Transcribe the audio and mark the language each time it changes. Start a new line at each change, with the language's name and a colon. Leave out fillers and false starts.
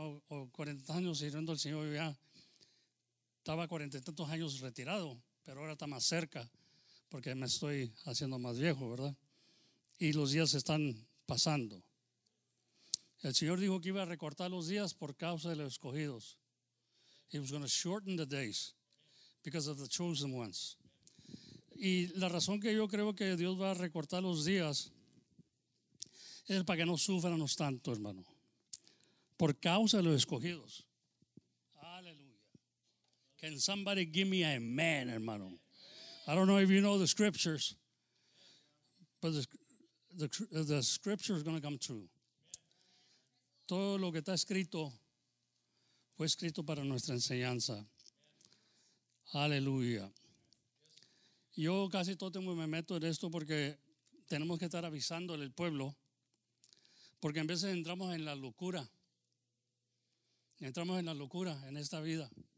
Spanish: O 40 años sirviendo al Señor. Ya estaba 40 y tantos años retirado. Pero ahora está más cerca. Porque me estoy haciendo más viejo, ¿verdad? Y los días están pasando. El Señor dijo que iba a recortar los días por causa de los escogidos.
English: He was going to shorten the days because of the chosen ones.
Spanish: Y la razón que yo creo que Dios va a recortar los días es para que no suframos tanto, hermano. Por causa de los escogidos. Aleluya.
English: Can somebody give me an amen, hermano? I don't know if you know the scriptures, but the scripture is going to come true.
Spanish: Todo lo que está escrito fue escrito para nuestra enseñanza. Aleluya. Yo casi todo tiempo me meto en esto porque tenemos que estar avisándole al pueblo. Porque en veces entramos en la locura. Entramos en la locura en esta vida.